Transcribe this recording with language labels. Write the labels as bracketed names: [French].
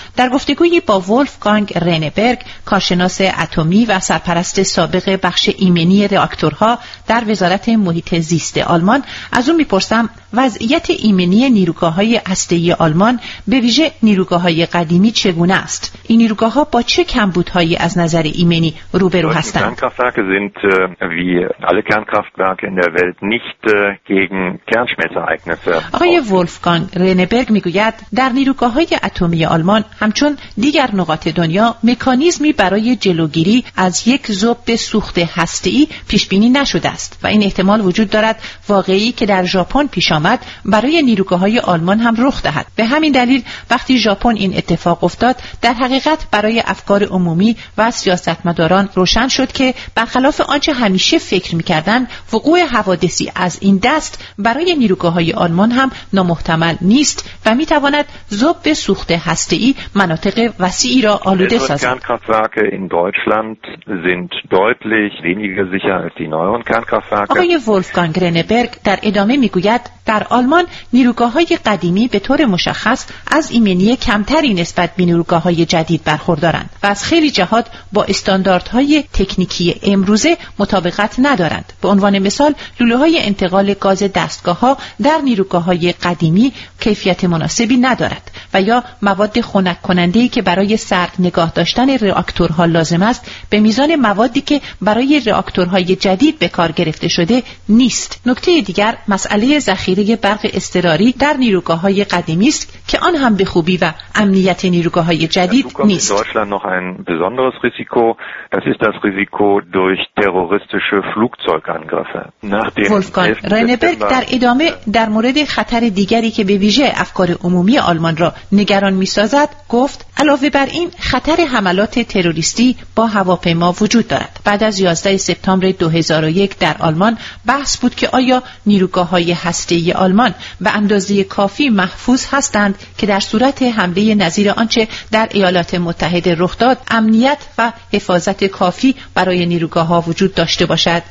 [Persian] در گفتگوی با ولفگانگ رنبرگ، کارشناس اتمی و سرپرست سابق بخش ایمنی راکتورها در وزارت محیط زیست آلمان، از او می‌پرسم وضعیت ایمنی نیروگاه‌های هسته‌ای آلمان به ویژه نیروگاه‌های قدیمی چگونه است؟ این نیروگاه‌ها با چه کمبودهایی از نظر ایمنی روبرو هستند؟ [German] Kernkraftwerke sind wie alle Kernkraftwerke in der Welt nicht gegen Kernschmelzereignisse. [Persian] آقای ولفگانگ رنبرگ می‌گوید در نیروگاه‌های اتمی آلمان همچون دیگر نقاط دنیا مکانیزمی برای جلوگیری از یک ذوب سوخت هسته‌ای پیش‌بینی نشده است و این احتمال وجود دارد واقعی که در ژاپن پیش آمد برای نیروگاه‌های آلمان هم رخ دهد. به همین دلیل وقتی ژاپن این اتفاق افتاد، در حقیقت برای افکار عمومی و سیاستمداران روشن شد که برخلاف آنچه همیشه فکر می‌کردند، وقوع حوادثی از این دست برای نیروگاه‌های آلمان هم نامحتمل نیست و می‌تواند ذوب سوخت هسته‌ای مناطق وسیعی را آلوده سازد. [German] Kernkraftwerke in Deutschland sind deutlich weniger sicher als die neueren Kernkraftwerke. [Persian] آقای ولفگانگ رنبرگ در ادامه می‌گوید در آلمان نیروگاه‌های قدیمی به طور مشخص از ایمنی کمتری نسبت به نیروگاه‌های جدید برخوردارند و از خیلی جهات با استانداردهای تکنیکی امروزه مطابقت ندارند. به عنوان مثال لوله‌های انتقال گاز دستگاه‌ها در نیروگاه‌های قدیمی کیفیت مناسبی ندارد و یا مواد خنک کننده‌ای که برای سرد نگاه داشتن راکتورها لازم است به میزان موادی که برای راکتورهای جدید به کار گرفته شده نیست. نکته دیگر مسئله ذخیره ذخیره برق اضطراری در نیروگاه‌های قدیمی است که آن هم به خوبی و امنیت نیروگاه‌های جدید نیست. [German] Deutschland noch ein besonderes Risiko, das ist das Risiko durch terroristische Flugzeugangriffe. [Persian] Wolfgang Reineberg در ادامه در مورد خطر دیگری که به ویژه افکار عمومی آلمان را نگران می‌سازد گفت علاوه بر این خطر حملات تروریستی با هواپیما وجود دارد. بعد از 11 سپتامبر 2001 در آلمان بحث بود که آیا نیروگاه‌های هسته‌ای آلمان به اندازه کافی محفوظ هستند که در صورت حمله نظیر آنچه در ایالات متحده رخ داد امنیت و حفاظت کافی برای نیروگاه‌ها وجود داشته باشد.